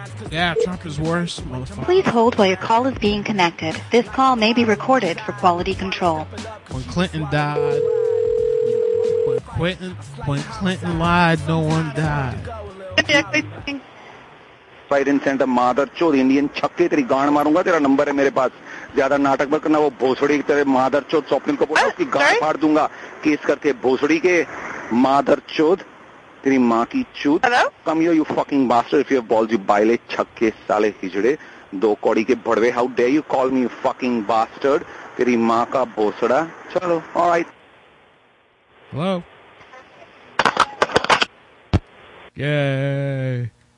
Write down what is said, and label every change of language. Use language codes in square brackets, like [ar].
[en] Yeah, Trump is worse, motherfucker. Please hold while your call is being connected. This call may be recorded for quality control. When Clinton died, when Clinton lied, no one died. Fight in center, mother, [hi] चोद, Indian, छक्के, तेरी गांड मारूंगा, तेरा number है मेरे पास. ज़्यादा नाटक मत करना, वो भोसड़ी की तेरे mother चोद, स्वप्निल को बोला, उसकी गांड फाड़ दूंगा, केस करके भोसड़ी के mother चोद, तेरी माँ की चूद. [en] Hello? Come here, you fucking bastard, if you have balls, you [hi] ballet, छक्के, साले, हिजड़े, दो कौड़ी के भड़वे, [en] how dare you call me, you fucking bastard, [hi] तेरी माँ का भोसड़ा, चलो, [en] alright. Hello? Yay.